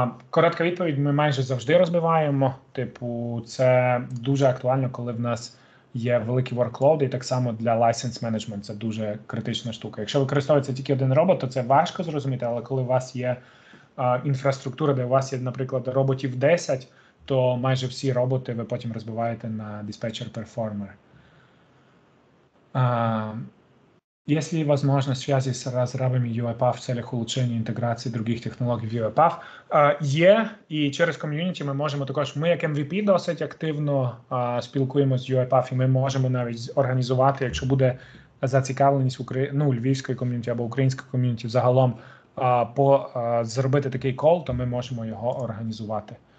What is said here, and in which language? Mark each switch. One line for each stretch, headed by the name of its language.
Ukrainian: Коротка відповідь, ми майже завжди розбиваємо. Типу, це дуже актуально, коли в нас є великі workload, і так само для license management це дуже критична штука. Якщо використовується тільки один робот, то це важко зрозуміти, але коли у вас є інфраструктура, де у вас є, наприклад, роботів 10, то майже всі роботи ви потім розбиваєте на dispatcher performer.
Russian: Если возможно связи с разрабами UiPath в целях улучшения интеграции других технологий в UiPath?
Ukrainian: Є, і через ком'юніті ми можемо також, ми як MVP досить активно спілкуємося з UiPath, і ми можемо навіть організувати, якщо буде зацікавленість львівської ком'юніті або української ком'юніті загалом, зробити такий кол, то ми можемо його організувати.